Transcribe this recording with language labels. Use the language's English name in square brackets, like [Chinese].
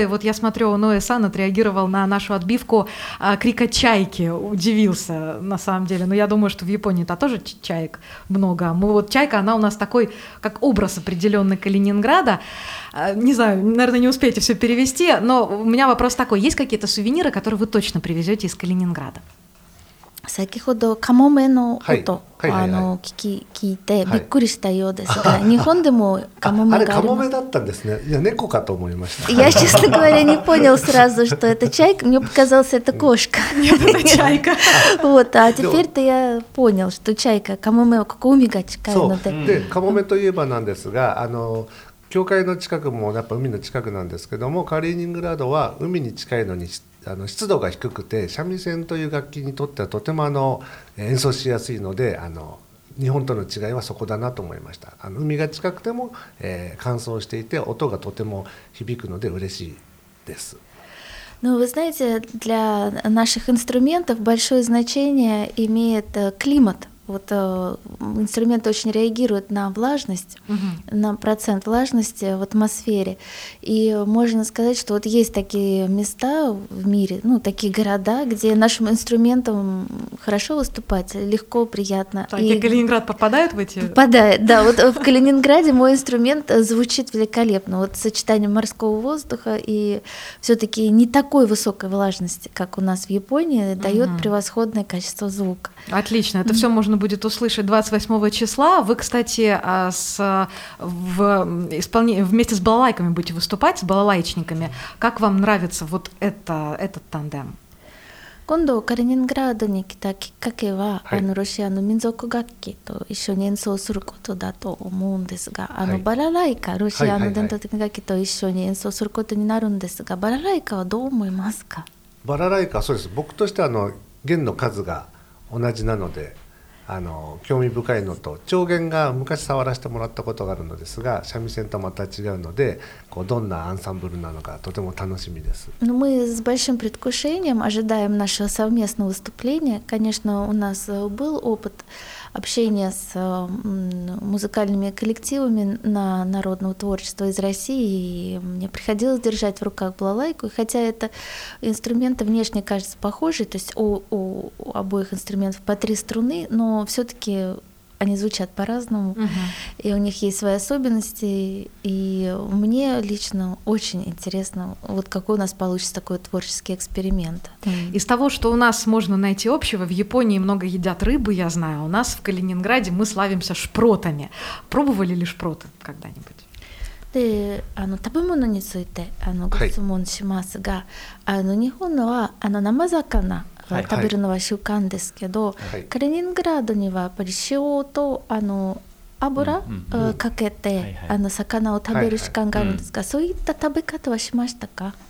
[Russian] И вот я смотрю, Оноэ-сан отреагировал на нашу отбивку крика чайки, удивился на самом деле. Но я думаю, что в Японии-то тоже чаек много. Мы вот чайка, она у нас такой, как образ определенный Калининграда. Не знаю, наверное, не успеете все перевести, но у меня вопрос такой. Есть какие-то сувениры, которые вы точно привезете из Калининграда? [Japanese] 先ほどカモメの音聞いてびっくりしたようですが、日本でもカモメがあります。あれカモメだったんですね。いや猫かと思いました。 [Russian] Я, честно говоря, не понял сразу, что это чайка. Мне показалось, это кошка. Нет, это чайка. Вот, а теперь-то я понял, что чайка, [Japanese] カモメはここ海が近いので。で、カモメといえばなんですが、教会の近くもやっぱ海の近くなんですけども、カリーニングラードは海に近いのに湿度が低くて、三味線という楽器にとってはとても演奏しやすいので、日本との違いはそこだなと思いました。海が近くても、乾燥していて音がとても響くので嬉しいです。 [Russian] Ну, вы знаете, для наших инструментов большое значение имеет климат. Вот инструменты очень реагируют на влажность, на процент влажности в атмосфере. И можно сказать, что вот есть такие места в мире, ну, такие города, где нашим инструментам хорошо выступать, легко, приятно. Так, и Калининград попадает в эти? Попадает, да. Вот в Калининграде мой инструмент звучит великолепно. Вот сочетание морского воздуха и все-таки не такой высокой влажности, как у нас в Японии, дает превосходное качество звука. Отлично, это все можно будет услышать 28 числа. Вы, кстати, вместе с балалайками будете выступать, с балалайчниками. Как вам нравится вот этот тандем? [Japanese] 今度カリーニングラードに来たきっかけは、はい、ロシアの民族楽器と一緒に演奏することだと思うんですが、バラライカ、ロシアの伝統的な楽器と一緒に演奏することになるんですが、バラライカはどう思いますか？バラライカ、そうです、僕としては弦の数が同じなので、興味深いのと、長弦が昔触らせてもらったことがあるのですが、三味線とまた違うので、こうどんなアンサンブルなのかとても楽しみです。 [Russian] Мы с большим предвкушением ожидаем нашего совместного выступления. Конечно, у нас был опыт общения с музыкальными коллективами народного творчества из России, и мне приходилось держать в руках балалайку. И хотя это инструменты внешне кажутся похожими, то есть у обоих инструментов по три струны, но все-таки они звучат по-разному, и у них есть свои особенности. И мне лично очень интересно, вот какой у нас получится такой творческий эксперимент. Из того, что у нас можно найти общего, в Японии много едят рыбы, я знаю, у нас в Калининграде мы славимся шпротами. Пробовали ли шпроты когда-нибудь? [Japanese] で食べ物についてご質問しますが、はい、日本は生魚を食べるのは習慣ですけど、はいはい、カリーニングラードにはやっぱり塩と油かけて、はいはい、魚を食べる習慣があるんですが、はいはい、そういった食べ方はしましたか？